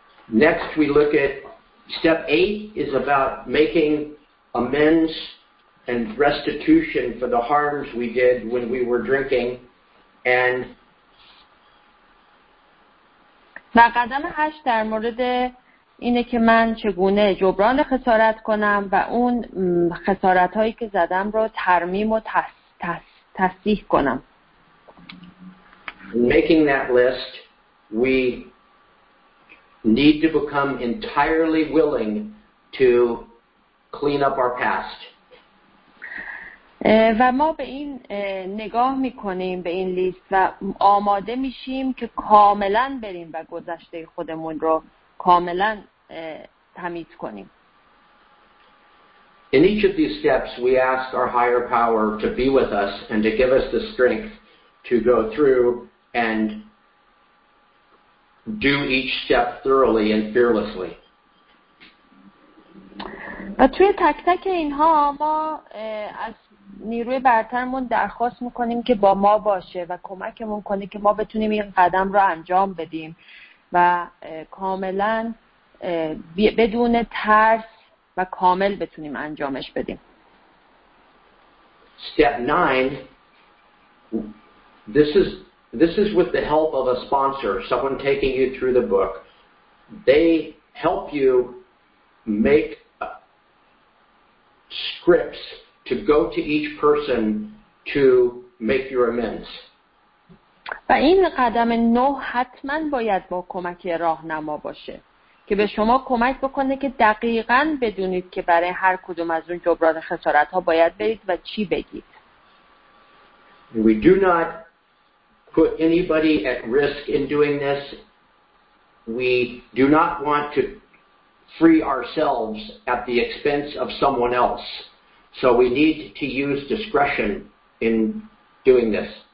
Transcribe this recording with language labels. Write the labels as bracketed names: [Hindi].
[English] Next we look at step 8 is about making amends and restitution for the harms we did when we were drinking. And [Persian] و قدم 8 در مورد اینه که من چگونه جبران خسارت کنم و اون خسارت هایی که زدم رو ترمیم و تصحیح کنم. [English] Making that list, we need to become entirely willing to clean up our past. [Persian] و ما به این نگاه میکنیم به این لیست و آماده میشیم که کاملا بریم و گذشته خودمون رو کاملا تمیز کنیم. [English] In each of these steps we ask our higher power to be with us and to give us the strength to go through and do each step thoroughly and fearlessly. [Persian] و توی تک تک اینها ما از نیروی برترمون درخواست میکنیم که با ما باشه و کمکمون کنه که ما بتونیم این قدم رو انجام بدیم و کاملا بدون ترس و کامل بتونیم انجامش بدیم. [English] Step 9, this is with the help of a sponsor, someone taking you through the book. They help you make scripts to go to each person to make your amends. [Persian] و این قدم 9 حتما باید با کمک راهنما باشه که به شما کمک بکنه که دقیقاً بدونید که برای هر کدوم از اون جبران خسارت ها باید برید و چی بگید. [English] We do not put anybody at risk in doing this. We do not want to free ourselves at the expense of someone else. So we need to use discretion in doing this.